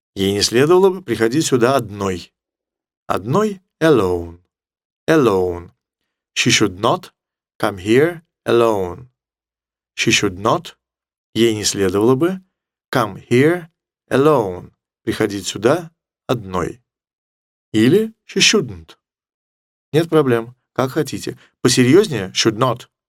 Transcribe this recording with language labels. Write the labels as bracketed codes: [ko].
[ru] Ей не следовало бы приходить сюда одной. Одной — alone. [en] Alone. She should not come here alone. She should not. [ru] Ей не следовало бы [en] come here alone. [ru] Приходить сюда одной. Или [en] she shouldn't. [ru] Нет проблем. Как хотите. Посерьезнее should not.